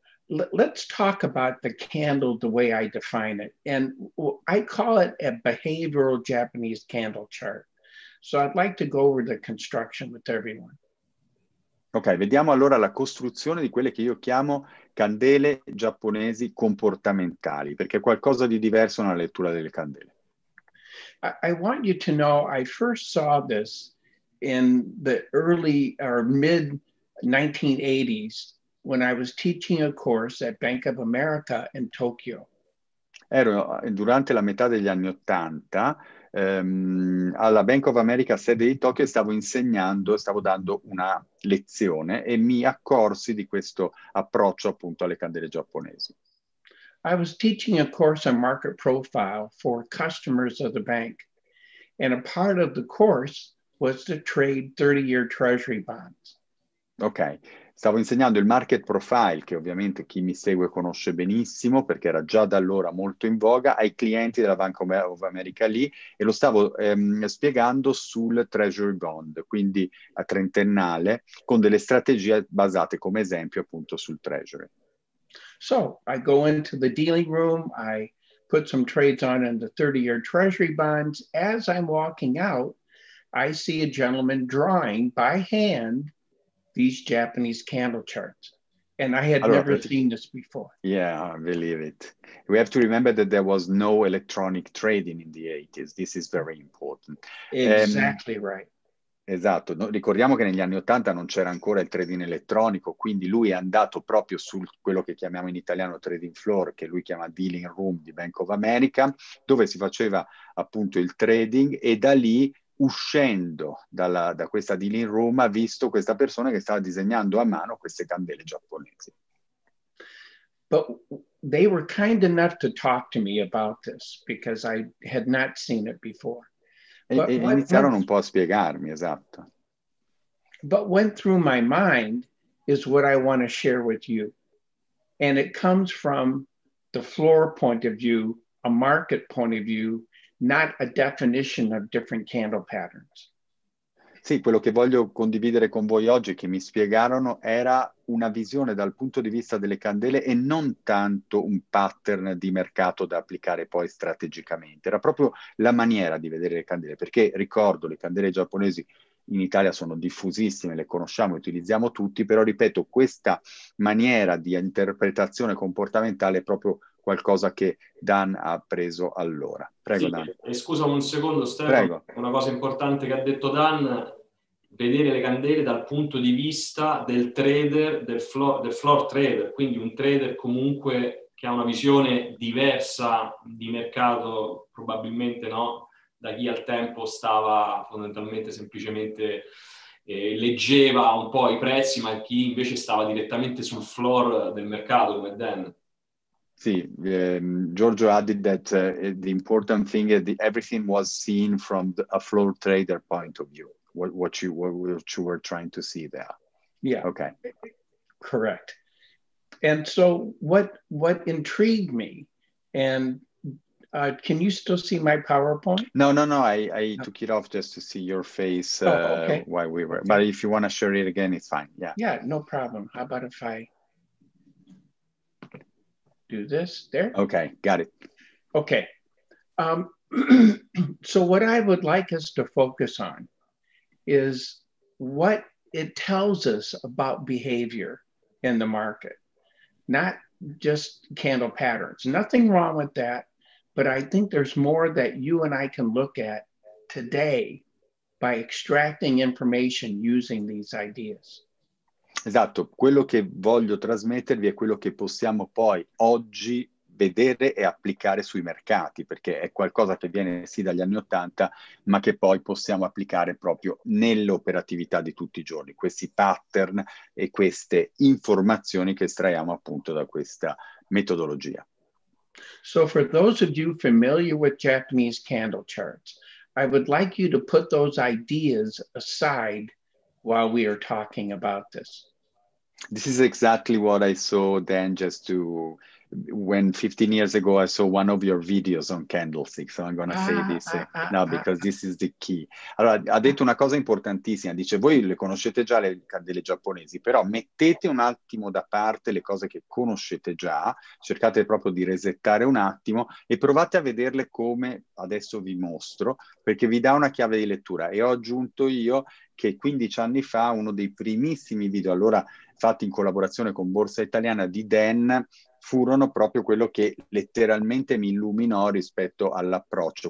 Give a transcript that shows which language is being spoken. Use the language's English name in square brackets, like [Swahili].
[English] Let's talk about the candle the way I define it. And I call it a behavioral Japanese candle chart. So I'd like to go over the construction with everyone. [Italian] Ok, vediamo allora la costruzione di quelle che io chiamo candele giapponesi comportamentali, perché è qualcosa di diverso nella lettura delle candele. [English] I want you to know I first saw this in the early or mid 1980s. When I was teaching a course at Bank of America in Tokyo. [Italian] Ero durante la metà degli anni Ottanta alla Bank of America sede di Tokyo e stavo dando una lezione e mi accorsi di questo approccio appunto alle candele giapponesi. [English] I was teaching a course on market profile for customers of the bank, and a part of the course was to trade 30-year treasury bonds. Ok. [Italian] Stavo insegnando il market profile, che ovviamente chi mi segue conosce benissimo, perché era già da allora molto in voga, ai clienti della Bank of America lì, e lo stavo spiegando sul treasury bond, quindi a trentennale, con delle strategie basate come esempio appunto sul treasury. [English] So, I go into the dealing room, I put some trades on in the 30-year treasury bonds. As I'm walking out, I see a gentleman drawing by hand these Japanese candle charts. And I had never seen this before. Yeah, I believe it. We have to remember that there was no electronic trading in the 80s. This is very important. Exactly right. [Italian] Esatto, no, ricordiamo che negli anni 80 non c'era ancora il trading elettronico, quindi lui è andato proprio su quello che chiamiamo in italiano trading floor, che lui chiama dealing room di Bank of America, dove si faceva appunto il trading e da lì, uscendo da questa dealing room, ha visto questa persona che stava disegnando a mano queste candele giapponesi. [English] But they were kind enough to talk to me about this because I had not seen it before. [Italian] E iniziarono un po' a spiegarmi, esatto. [English] But went through my mind is what I want to share with you. And it comes from the floor point of view, a market point of view, not a definition of different candle patterns. [Italian] Sì, quello che voglio condividere con voi oggi che mi spiegarono era una visione dal punto di vista delle candele e non tanto un pattern di mercato da applicare poi strategicamente. Era proprio la maniera di vedere le candele, perché ricordo le candele giapponesi in Italia sono diffusissime, le conosciamo e utilizziamo tutti, però ripeto, questa maniera di interpretazione comportamentale è proprio qualcosa che Dan ha preso allora. Prego, Sì, Dan. E scusa un secondo, Stefano. Prego. Una cosa importante che ha detto Dan: vedere le candele dal punto di vista del trader, del floor trader, quindi un trader comunque che ha una visione diversa di mercato, probabilmente, no? Da chi al tempo stava fondamentalmente semplicemente leggeva un po' i prezzi, ma chi invece stava direttamente sul floor del mercato, come Dan. [English] Sì, Giorgio added that the important thing is that everything was seen from a floor trader point of view. What you were trying to see there. Yeah. Okay. Correct. And so what intrigued me, and can you still see my PowerPoint? No. I took it off just to see your face while we were. But if you want to share it again, it's fine. Yeah. Yeah, no problem. How about if I do this there? Okay, got it. Okay. So what I would like us to focus on is what it tells us about behavior in the market, not just candle patterns. Nothing wrong with that, but I think there's more that you and I can look at today by extracting information using these ideas. [Italian] Esatto, quello che voglio trasmettervi è quello che possiamo poi oggi vedere e applicare sui mercati, perché è qualcosa che viene sì dagli anni Ottanta, ma che poi possiamo applicare proprio nell'operatività di tutti i giorni, questi pattern e queste informazioni che estraiamo appunto da questa metodologia. [English] So for those of you familiar with Japanese candle charts, I would like you to put those ideas aside while we are talking about this. This is exactly what I saw then just to, when 15 years ago, I saw one of your videos on candlestick. So I'm going to say this now because this is the key. [Italian] Allora, ha detto una cosa importantissima. Dice, voi le conoscete già le candele giapponesi, però mettete un attimo da parte le cose che conoscete già, cercate proprio di resettare un attimo e provate a vederle come adesso vi mostro, perché vi dà una chiave di lettura. E ho aggiunto io che 15 anni fa, uno dei primissimi video, allora fatti in collaborazione con Borsa Italiana di Dan, furono proprio quello che letteralmente mi illuminò rispetto all'approccio.